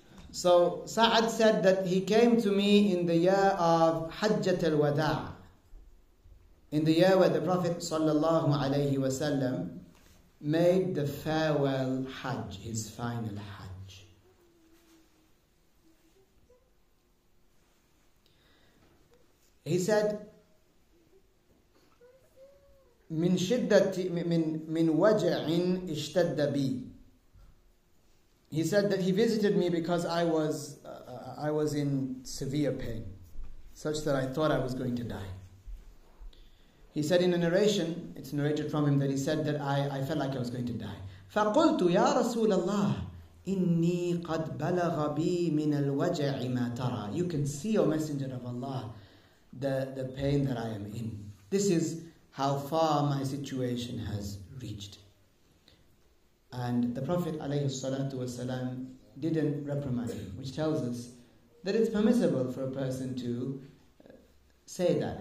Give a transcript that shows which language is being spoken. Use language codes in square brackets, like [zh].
[en] So Sa'ad said that he came to me in the year of Hajjat al-Wada', in the year where the Prophet sallallahu alayhi wasallam made the farewell Hajj, his final Hajj. He said, [ar] "من شدة من وجع اشتد بي." [en] He said that he visited me because I was in severe pain, such that I thought I was going to die. He said in a narration, it's narrated from him, that he said that I felt like I was going to die. [ar] فقلت يا رسول الله إني قد بلغ بي من الوجع ما ترى. [en] You can see, O Messenger of Allah, the pain that I am in. This is how far my situation has reached. And the Prophet alayhi salatu wasalam didn't reprimand him, which tells us that it's permissible for a person to say that.